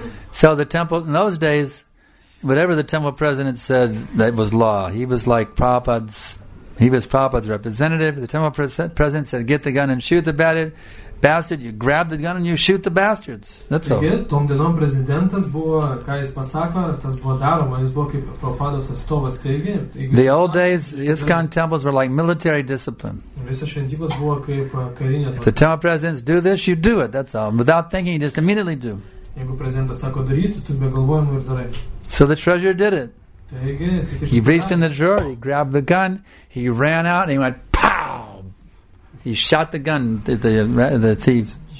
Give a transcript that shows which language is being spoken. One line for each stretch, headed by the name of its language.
English: So the temple, in those days, whatever the temple president said, that was law. He was like Prabhupada's, he was Prabhupada's representative. The temple president said, "Get the gun and shoot the bastard." You grab the gun and you shoot the bastards. That's all.
Lithuanian: Tom dienom prezidentas buvo, ką jis pasako, tas buvo daroma. Jis buvo kaip Prabhupados atstovas teigė.
English: The old days, ISKCON temples were like military discipline.
Lithuanian: Visos šventyklos buvo kaip karinė.
English: If the temple presidents do this, you do it. That's all. Without thinking, you just immediately do.
Lithuanian: Jeigu prezidentas sako daryti, tu be galvojimo ir darai.
English: So the treasurer did it. He reached in the drawer, he grabbed the gun, he ran out and he went, pow! He shot the gun at the thieves.